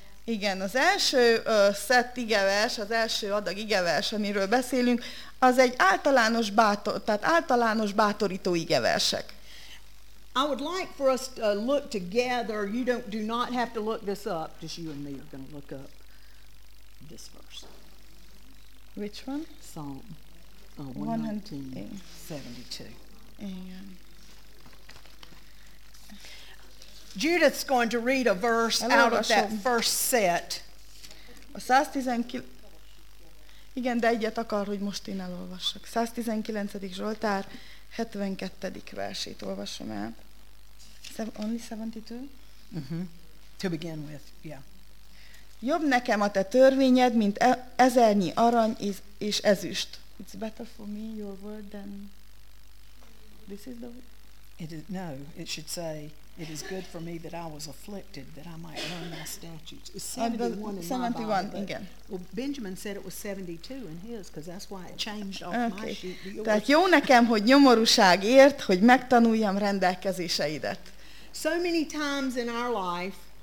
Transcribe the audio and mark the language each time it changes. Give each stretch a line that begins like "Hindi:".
Hungarian: Igen, az első szett igevers, az első adag igevers, amiről beszélünk, az egy általános általános bátorító igeversek.
English: I would like for us to look together. You do not have to look this up. Just you and me are going to look up this verse. Which one? Psalm 119:72. Amen. Judith's going to read a verse out of that first set.
Hungarian: A 119. Igen, de egyet akar, hogy most én elolvassak. 119. Zsoltár 72. versét olvasom el.
English: Only 72? Mm-hmm. To begin with, yeah.
Hungarian: Jobb nekem a te törvényed, mint ezernyi arany és ezüst.
English: It's better for me your word than this is the word. It is, no, it should say, it is good for me that I was afflicted, that I might learn my statutes. It's 71 in my Bible.
Hungarian: Igen.
English: Well, Benjamin said it was 72 in his, because that's why it changed off my sheet.
Hungarian: Tehát jó nekem, hogy nyomorúság ért, hogy megtanuljam rendelkezéseidet.
English: So many times in our life,